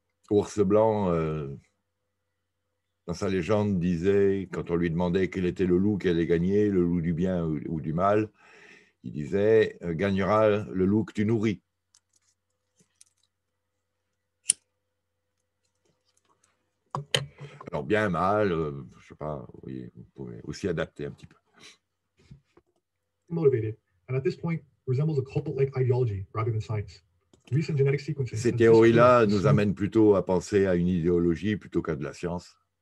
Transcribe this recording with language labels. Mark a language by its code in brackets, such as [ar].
[fr] Ours blanc, dans sa légende, disait, quand on lui demandait quel était le loup qui allait gagner, le loup du bien ou du mal, il disait, gagnera le loup que tu nourris. Alors bien, mal, je sais pas, oui, vous pouvez aussi adapter un petit peu. [en] Motivated, and at this point, resembles a cult-like ideology rather than science. [fr] Ces théories-là nous amènent plutôt à penser à une idéologie plutôt qu'à de la science.